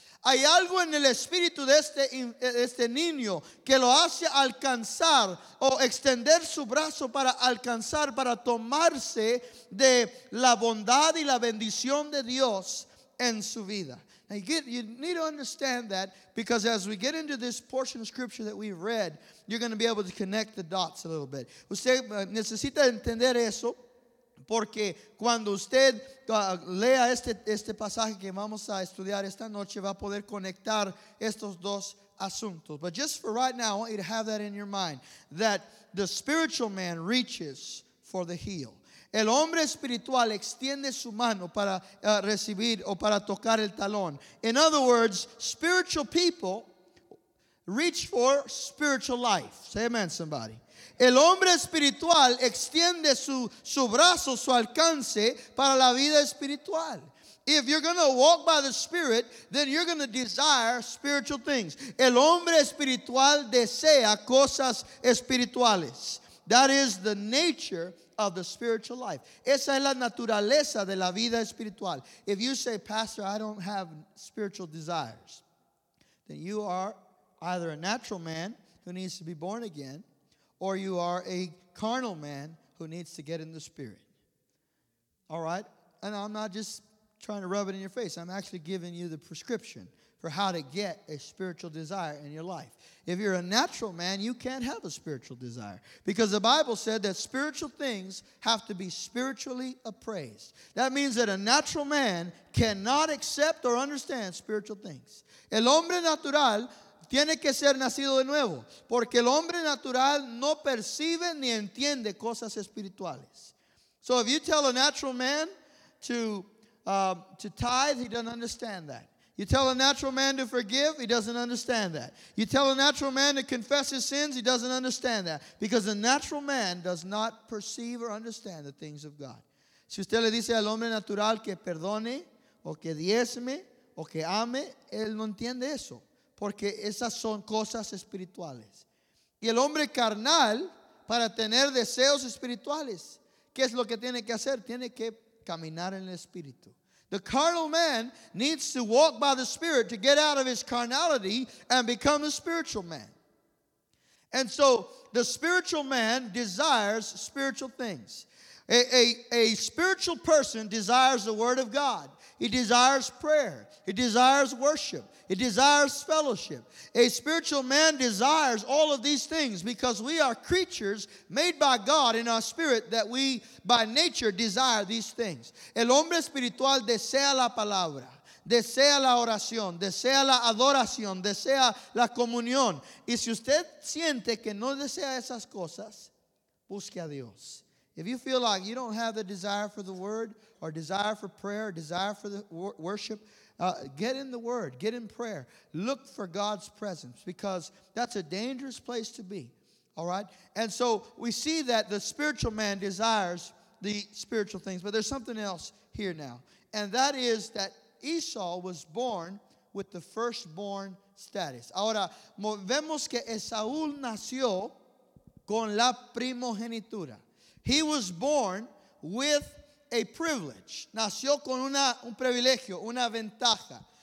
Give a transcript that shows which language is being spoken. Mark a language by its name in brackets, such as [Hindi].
[Spanish] Hay algo en el espíritu de este niño que lo hace alcanzar o extender su brazo para alcanzar, para tomarse de la bondad y la bendición de Dios en su vida. [English] Now you need to understand that, because as we get into this portion of scripture that we've read, you're going to be able to connect the dots a little bit. [Spanish] Usted necesita entender eso, porque cuando usted lea este pasaje que vamos a estudiar esta noche, va a poder conectar estos dos asuntos. [English] But just for right now, I want you to have that in your mind, that the spiritual man reaches for the heel. [Spanish] El hombre espiritual extiende su mano para recibir o para tocar el talón. [English] In other words, spiritual people reach for spiritual life. Say amen, somebody. [Spanish] El hombre espiritual extiende su brazo, su alcance para la vida espiritual. [English] If you're going to walk by the Spirit, then you're going to desire spiritual things. [Spanish] El hombre espiritual desea cosas espirituales. [English] That is the nature of the spiritual life. [Spanish] Esa es la naturaleza de la vida espiritual. [English] If you say, Pastor, I don't have spiritual desires, then you are either a natural man who needs to be born again, or you are a carnal man who needs to get in the Spirit. All right? And I'm not just trying to rub it in your face. I'm actually giving you the prescription for how to get a spiritual desire in your life. If you're a natural man, you can't have a spiritual desire, because the Bible said that spiritual things have to be spiritually appraised. That means that a natural man cannot accept or understand spiritual things. [Spanish] El hombre natural tiene que ser nacido de nuevo, porque el hombre natural no percibe ni entiende cosas espirituales. [English] So if you tell a natural man to tithe, he doesn't understand that. You tell a natural man to forgive, he doesn't understand that. You tell a natural man to confess his sins, he doesn't understand that. Because a natural man does not perceive or understand the things of God. [Spanish] Si usted le dice al hombre natural que perdone, o que diezme o que ame, él no entiende eso, porque esas son cosas espirituales. Y el hombre carnal, para tener deseos espirituales, ¿qué es lo que tiene que hacer? Tiene que caminar en el espíritu. [English] The carnal man needs to walk by the Spirit to get out of his carnality and become a spiritual man. And so the spiritual man desires spiritual things. A spiritual person desires the word of God. He desires prayer. He desires worship. He desires fellowship. A spiritual man desires all of these things because we are creatures made by God in our spirit that we, by nature, desire these things. [Spanish] El hombre espiritual desea la palabra. Desea la oración, desea la adoración, desea la comunión. Y si usted siente que no desea esas cosas, busque a Dios. [English] If you feel like you don't have the desire for the word, or desire for prayer, or desire for the worship, get in the word, get in prayer. Look for God's presence, because that's a dangerous place to be. All right? And so we see that the spiritual man desires the spiritual things. But there's something else here now, and that is that Esau was born with the firstborn status. [Spanish] Ahora, vemos que Esaú nació con la primogenitura. [English] He was born with a privilege. [Spanish] Nació con un privilegio, una ventaja.